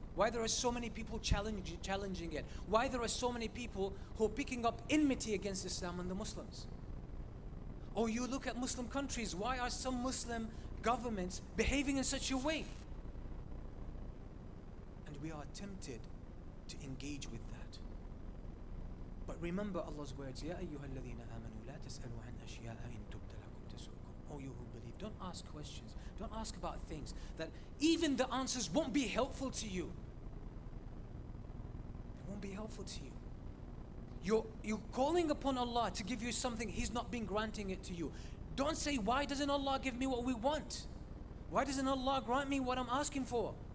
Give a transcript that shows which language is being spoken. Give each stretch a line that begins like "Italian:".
English: Why there are so many people challenging it? Why there are so many people who are picking up enmity against Islam and the Muslims? Or you look at Muslim countries, why are some Muslim governments behaving in such a way? And we are tempted to engage with that. But remember Allah's words,
Arabic: يَا أَيُّهَا الَّذِينَ آمَنُوا لَا تَسْأَلُوا عَنْ أَشْيَاءَ إِن تُبْدَ لَكُمْ تَسُؤْكُمْ.
English: Oh, you who believe, don't ask questions. Don't ask about things that even the answers won't be helpful to you. They won't be helpful to you. You're calling upon Allah to give you something, He's not been granting it to you. Don't say, why doesn't Allah give me what we want? Why doesn't Allah grant me what I'm asking for?